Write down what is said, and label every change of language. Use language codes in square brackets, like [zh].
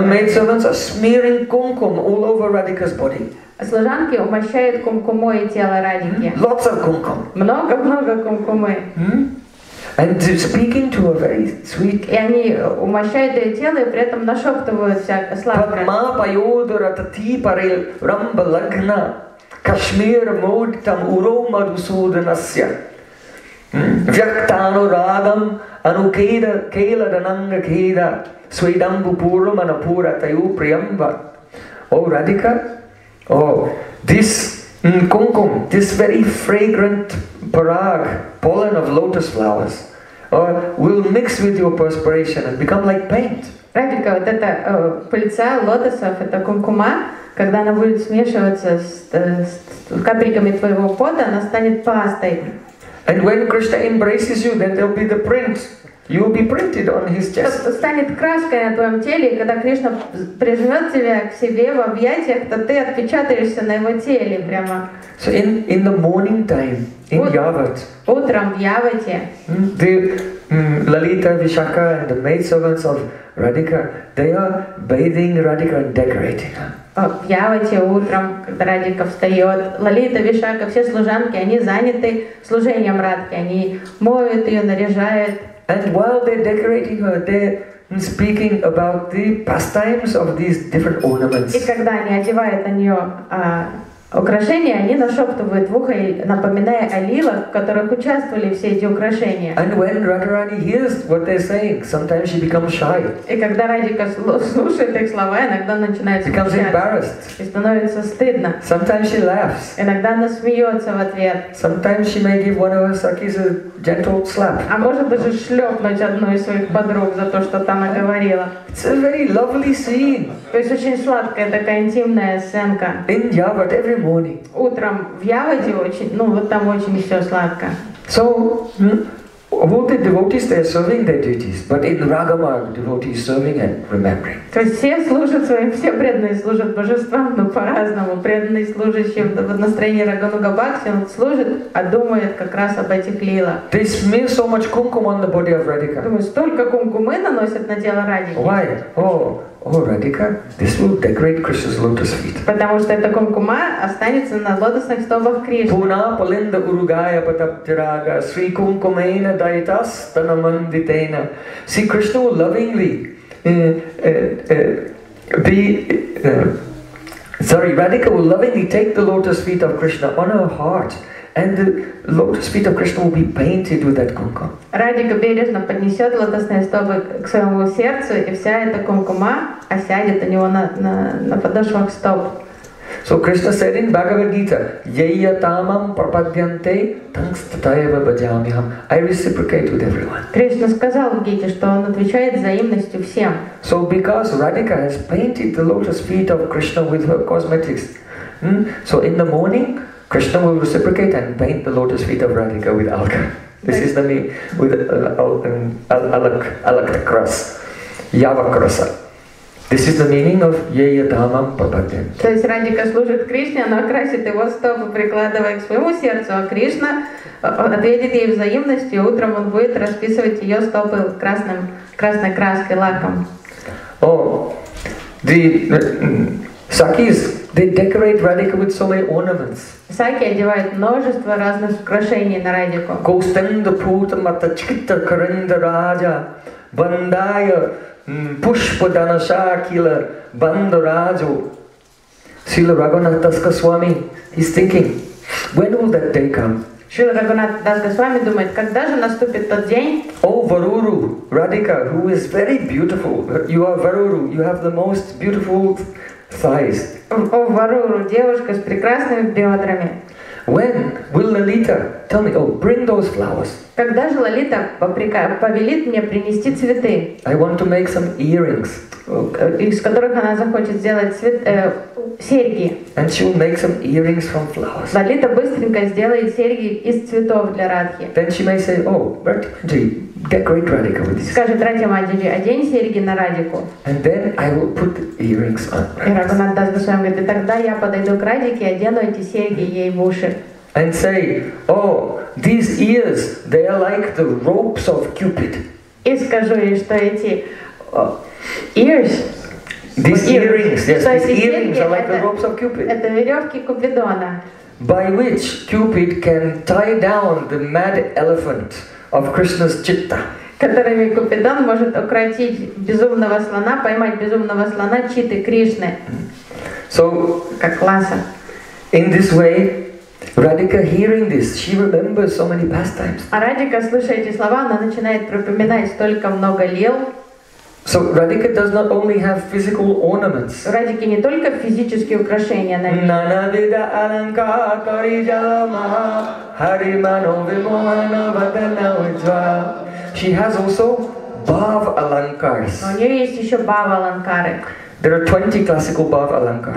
[en] The maidservants are smearing kumkum all over Radhika's body. [ru] Служанки умощают кумкумой тело Радики. [en] Lots of kumkum. [ru] Много-много кумкумы. [en] And speaking to her very sweet. [ru] И они умощают ее тело и при этом нашептывают всякое сладкое. [sa] Padma payodara tati paril ramba lagna kashmir moditam uro madhusudanasya vyaktano radam anukeda kela dananga keda svedambu puram anapura tayu priyamba. [en] Oh Radhika, oh this kumkum, this very fragrant parag, pollen of lotus flowers, or will mix with your perspiration and become like paint. [ru] Радика, вот эта пыльца лотосов, это кумкума, когда она будет смешиваться с капельками твоего пота, она станет пастой. [en] And when Krishna embraces you, then there'll be the print. You'll be printed on his chest. [ru] Станет краской на твоем теле, и когда Кришна прижмет тебя к себе в объятиях, то ты отпечатаешься на его теле прямо. [en] So in the morning time, in Yavat, [ru] утром в Яваде, [en] the Lalita, Vishakha and the maidservants of Radhika, they are bathing Radhika and decorating her. [ru] В Яваде утром, когда Радика встает, Лалита, Вишака, все служанки, они заняты служением Радхи, они моют ее, наряжают. [en] And while they're decorating her, they're speaking about the pastimes of these different ornaments. [ru] И когда они одевают на нее украшения, они нашептывают в ухо, напоминая о лилах, в которых участвовали все эти украшения. [en] And when Radharani hears what they're saying, sometimes she becomes shy. [ru] И когда Радика слушает их слова, иногда начинает [en] becomes embarrassed. [ru] И становится стыдно. [en] Sometimes she laughs. [ru] Иногда она смеется в ответ. [en] Sometimes she may give one of her sakis a gentle slap. [ru] А может даже шлепнуть одну из своих подруг за то, что там она говорила. [en] It's a very lovely scene. [ru] То есть очень сладкая такая интимная сценка. [en] In Yavat, every morning. [ru] Утром в Яваде очень, ну вот там очень все сладко. [en] So, all the devotees, they are serving their duties, but in Ragamarg, devotees serving and remembering. [ru] То есть все служат своим, все преданные служат божествам, но по-разному. Преданный служащий в настроении Рагануга-Бхакти, он служит, а думает как раз об этих лилах. [en] They smear so much kumkum on the body of Radhika. [ru] Думаю, столько кумкумы наносят на тело Радики. [en] Why? Oh, Radhika, this will decorate Krishna's lotus feet. [ru] Потому что эта кумкума останется на лотосных стопах Кришны. [sa] Пуна палинда уругая патаптирага, сри кумкумейна дайтас танамандитейна. [en] See, Krishna will lovingly Radhika will lovingly take the lotus feet of Krishna on her heart. And the lotus feet of Krishna will be painted with that kumkum. [ru] Радика бережно поднесет лотосные стопы к своему сердцу, и вся эта кумкума осядет у него на подошвах стоп. [en] So Krishna said in Bhagavad Gita, [sa] Yaya tamam prapadyante tangstataya bhajamiham. [en] I reciprocate with everyone. [ru] Кришна сказал в Гите, что он отвечает взаимностью всем. [en] So because Radhika has painted the lotus feet of Krishna with her cosmetics, so in the morning, Krishna will reciprocate and paint the lotus feet of Radhika with alka. This is the name with alakras, yavakrasa. This is the meaning of [sa] yaya dhamam prapadyam. [ru] То есть Радика служит Кришне, она красит его стопы, прикладывая к своему сердцу, а Кришна ответит ей взаимностью, утром он будет расписывать ее стопы красной краской, лаком. [en] Oh. The sakis, they decorate Radhika with so many ornaments. [ru] Саки одевают множество разных украшений на Радику. [sa] Костенда пута мата чита каренда раджа бандая пушпа дана шакила банда раджу. [en] Srila Raghunath Das Goswami, he's thinking, when will that day come? [ru] Srila Raghunath Das Goswami думает, когда же наступит тот день? [en] Oh, Varuru, Radhika, who is very beautiful. You are Varuru, you have the most beautiful thighs. [ru] Oh, Varuru, девушка с прекрасными бедрами. [en] When will Lalita tell me, oh, bring those flowers? [ru] Когда же Лолита повелит мне принести цветы? [en] I want to make some earrings. [ru] Из которых она захочет сделать серьги. [en] And she will make some earrings from flowers. [ru] Лолита быстренько сделает серьги из цветов для Радхи. [en] Then she may say, oh, Радхи, decorate Радхика with this. [ru] Скажет Радхи Маджи, одень серьги на Радхику. [en] And then I will put earrings on. [ru] И Раганат Дас Госвами говорит, тогда я подойду к Радхике и одену эти серьги ей в уши. [en] And say, oh, these ears, they are like the ropes of Cupid. [ru] И скажу ей, что эти [en] ears, these earrings, yes, these earrings are like the ropes of Cupid. [ru] Это веревки Купидона. [en] By which Cupid can tie down the mad elephant of Krishna's chitta. [ru] Которыми Купидон может укротить безумного слона, поймать безумного слона читы Кришны. [en] So, [ru] как класса. [en] In this way, Radhika hearing this, she remembers so many pastimes. [ru] А Радика, слыша эти слова, она начинает припоминать столько много лил. [en] So Radhika does not only have physical ornaments. [ru] Радике не только физические украшения на ней. [sa] Нанавида аланкари жалама хари мано вимоана вадана уджва. [en] She has also bhav alankars. [ru] У нее есть еще bhav alankары. [en] There are 20 classical bhava alankars.